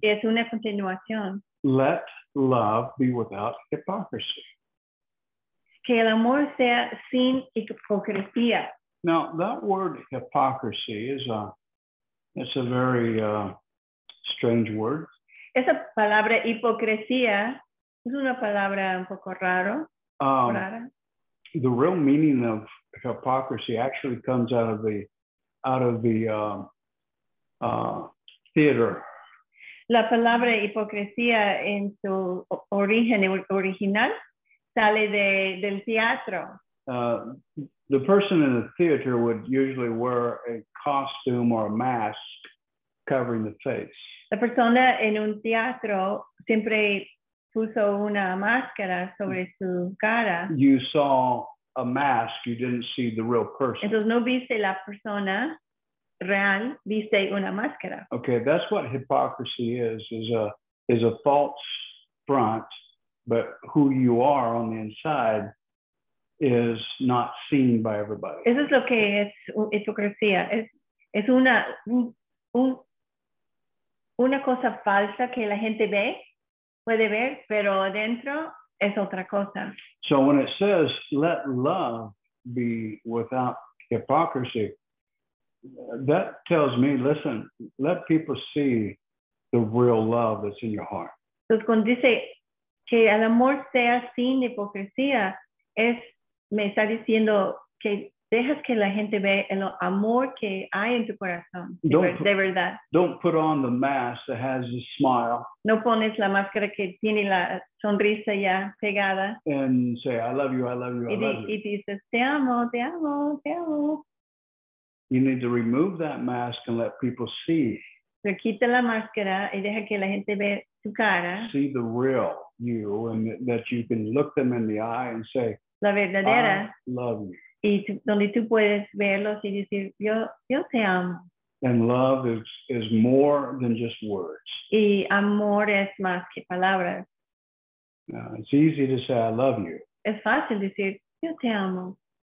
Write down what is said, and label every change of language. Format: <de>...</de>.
<es>Es una continuación.</es> <en>Let love be without hypocrisy.</en> <es>Que el amor sea sin hipocresía.</es> <en>Now, that word hypocrisy is it's a very strange word.</en> <es>Esa palabra hipocresía es una palabra un poco raro. Rara.</es> <en>The real meaning of hypocrisy actually comes out of the theater.</en> <es>La palabra hipocresía en su origen original sale del teatro.</es> <en>The person in the theater would usually wear a costume or a mask covering the face.</en> <es>La persona en un teatro siempre puso una máscara sobre su cara.</es> <en>You saw a mask, you didn't see the real person.</en> <es>Entonces no viste la persona real, viste una máscara.</es> <en>Okay, that's what hypocrisy is a false front, but who you are on the inside is not seen by everybody.</en> <es>Eso es lo que es hipocresía. Es una cosa falsa que la gente ve, puede ver, pero adentro es otra cosa.</es> <en>So when it says, let love be without hypocrisy, that tells me, listen, let people see the real love that's in your heart.</en> <es>Entonces cuando dice que el amor sea sin hipocresía, me está diciendo que dejas que la gente ve el amor que hay en tu corazón, de verdad.</es> <en>Don't put on the mask that has a smile.</en> <es>No pones la máscara que tiene la sonrisa ya pegada.</es> <en>And say, I love you, I love you, I love you.</en> <es>Y dices, te amo, te amo, te amo.</es> <en>You need to remove that mask and let people see.</en> <es>Pero quita la máscara y deja que la gente ve tu cara.</es> <en>See the real you and that you can look them in the eye and say,</en> <es>la verdadera.</es> <en>I love you.</en> <es>Y donde tú puedes verlos y decir, yo te amo.</es> <en>And love is more than just words.</en> <es>Y amor es más que palabras.</es> <en>It's easy to say, I love you.</en> <es>Es fácil decir, yo te amo.</es>